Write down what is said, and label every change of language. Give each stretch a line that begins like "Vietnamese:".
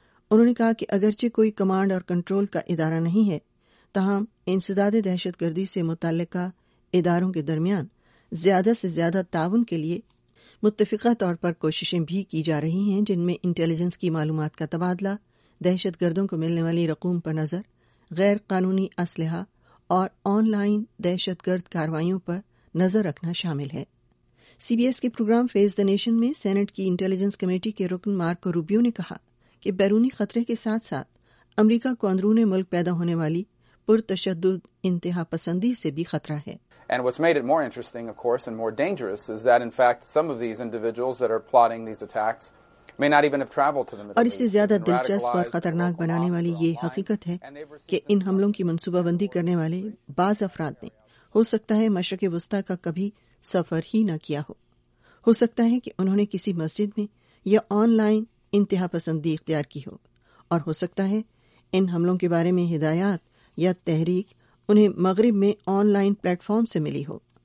Urdu: انہوں نے کہا کہ اگرچہ کوئی کمانڈ اور کنٹرول کا ادارہ نہیں ہے، تاہم انسداد دہشت گردی سے متعلقہ اداروں کے درمیان زیادہ سے زیادہ تعاون کے لیے متفقہ طور پر کوششیں بھی کی جا رہی ہیں، جن میں انٹیلیجنس کی معلومات کا تبادلہ، دہشت گردوں کو ملنے والی رقوم پر نظر، غیر قانونی اسلحہ اور آن لائن دہشت گرد کاروائیوں پر نظر رکھنا شامل ہے۔ سی بی ایس کے پروگرام فیس دا نیشن میں سینٹ کی انٹیلیجنس کمیٹی کے رکن مارکو روبیو نے کہا کہ بیرونی خطرے کے ساتھ ساتھ امریکہ کو اندرون ملک پیدا ہونے والی پرتشدد انتہا پسندی سے بھی خطرہ ہے۔
English: And what's made it more interesting, of course, and more dangerous is that, in fact, some of these individuals that are plotting these attacks may not even have traveled to the Middle East.
Urdu: اور اسے زیادہ دلچسپ اور خطرناک بنانے والی یہ حقیقت ہے کہ ان حملوں کی منصوبہ بندی کرنے والے بعض افراد نے ہو سکتا ہے مشرق وسطی کا کبھی سفر ہی نہ کیا ہو. ہو سکتا ہے کہ انہوں نے کسی مسجد میں یا آن لائن انتہا پسندی اختیار کی ہو, اور ہو سکتا ہے ان حملوں کے بارے میں ہدایات یا تحریک انہیں مغرب میں آن لائن پلیٹ فارم سے ملی ہو.